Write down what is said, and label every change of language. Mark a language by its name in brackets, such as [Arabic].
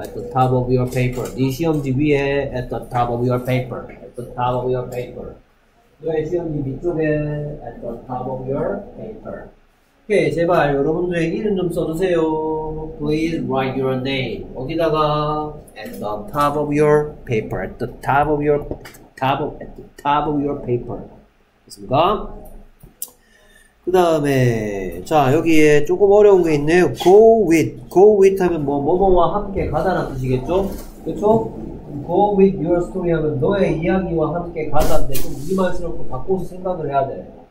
[English] at the top of your paper [Korean] 네 시험지 위에. [English] at the top of your paper at the top of your paper [Korean] 너의 시험지 밑쪽에 [English] at the top of your paper. [Korean] 오케이, 제발 여러분들의 이름 좀 써주세요. [English] Please write your name. [Korean] 어디다가? [English] At the top of your paper. At the top of your top of, at the top of your paper. [Korean] 됐습니까? 그 다음에 자 여기에 조금 어려운 게 있네요. Go with. Go with 하면 뭐 뭐뭐와 함께 가다라는 뜻이겠죠? 그렇죠? [English] Go with your story [Korean] 하면 너의 이야기와 함께 가다인데 좀 우리말스럽게 바꿔서 생각을 해야 돼.